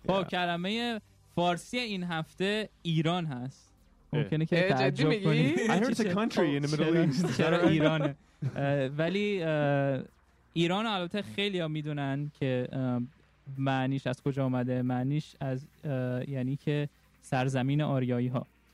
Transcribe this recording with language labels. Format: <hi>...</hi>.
<fa>کلمه فارسی این هفته ایران هست. ممکنه که تعجب کنی.</fa> <en>I heard it's a country in the Middle East.</en> <fa>چرا ایران؟ ولی ایران البته خیلی ها میدونن که معنیش از کجا اومده. معنیش از یعنی که سرزمین آریایی ها.</fa>